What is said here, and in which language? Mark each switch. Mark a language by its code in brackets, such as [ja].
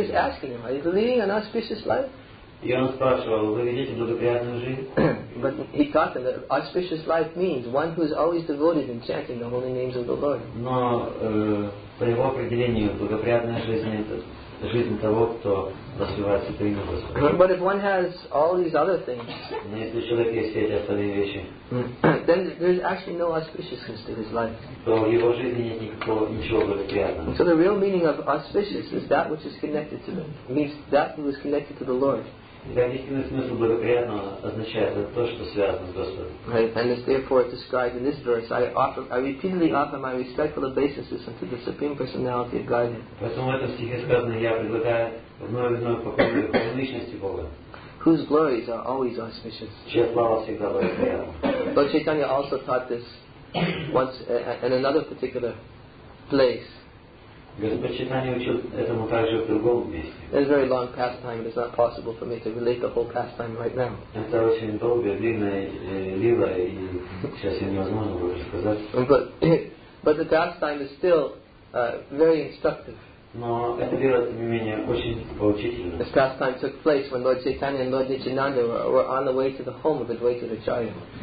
[en] He was asking him, are you leading an auspicious life? [ru] И он спрашивал, вы ведете благоприятную жизнь? [en] But he taught them that auspicious life means one who is always devoted in chanting the holy names of the Lord. [ru] Но по его определению, благоприятная жизнь — это жизнь того, кто воспевается по имени Господа. [en] But if one has all these other things, [ru] но если у человека есть все эти остальные вещи, [en] then there's actually no auspiciousness to his life. [ru] То в его жизни нет ничего благоприятного. [en] So the real meaning of auspicious is that which is connected to the, means that which is connected to the Lord. [ru] Итак, истинный смысл благоприятного означает это то, что связано с Господом. [en] Right, and it's therefore described in this verse, I repeatedly offer my respectful obeisances unto the Supreme Personality of Godhead. [ru] Поэтому в этом стихе сказано, я предлагаю вновь и вновь поклонение личности Бога. [en] Whose glories are always auspicious. [ru] Чья слава всегда благоприятна. [en] Lord Chaitanya also taught this once in another particular place. [ru] Господь Чайтанья учил этому также в другом месте. [en] It's a very long pastime. It's not possible for me to relate the whole pastime right now. [ru] Это очень долгая, длинная лила, и сейчас я невозможно буду рассказать. [en] But the pastime is still very instructive. [ru] Но эта лила, тем не менее, очень поучительна. [en] This pastime took place when Lord Chaitanya and Lord Nityananda were on the way to the home of Advaita Acharya.